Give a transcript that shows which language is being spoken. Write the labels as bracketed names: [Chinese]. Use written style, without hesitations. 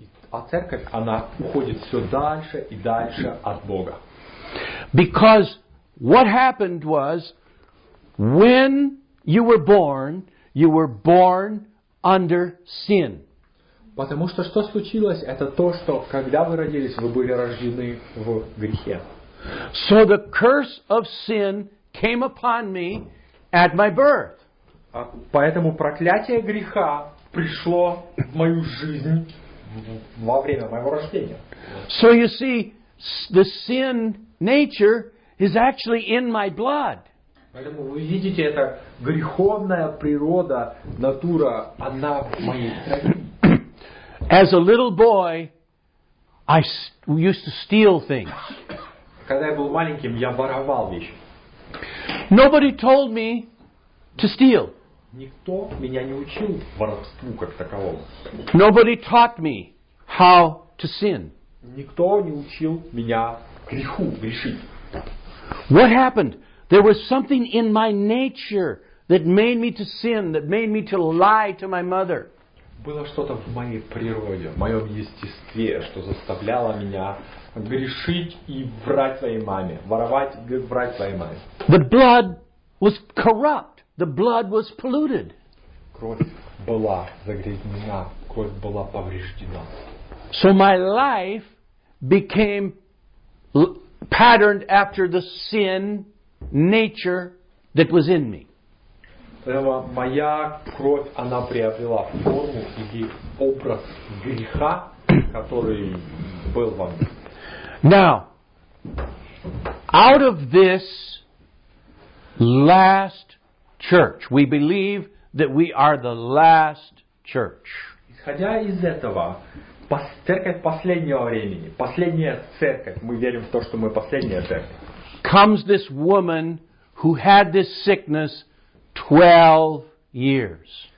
[Russian] А церковь, она уходит все дальше и дальше от Бога. [English] Because what happened was when you were born. You were born under sin. [Russian] Потому что что случилось? Это то, что когда вы родились, вы были рождены в грехе. [English] So the curse of sin came upon me at my birth. [Russian] Поэтому проклятие греха пришло в мою жизнь во время моего рождения. [English] So you see, the sin nature is actually in my blood. [Russian] Поэтому вы видите, эта греховная природа, натура, она в моей крови. [English] As a little boy, I used to steal things. [Russian] Когда я был маленьким, я воровал вещи. [English] Nobody told me to steal. [Russian] Никто меня не учил воровству как таковому. [English] Nobody taught me how to sin. [Russian] Никто не учил меня греху грешить. [English] What happened? There was something in my nature that made me to sin, that made me to lie to my mother. [Russian] Было что-то в моей природе, в моем естестве, что заставляло меня грешить и врать своей маме, воровать и врать своей маме. [English] The blood was corrupt. The blood was polluted. [Russian] Кровь была загрязнена, кровь была повреждена. [English] So my life became patterned after the sin nature that was in me. [Russian] Моя кровь, она приобрела форму или образ греха, который был во мне. [English] Now, out of this last church, we believe that we are the last church. [Russian] Исходя из этого, церковь последнего времени, последняя церковь, мы верим в то, что мы последняя церковь. [English] Comes this woman who had this sickness 12 years.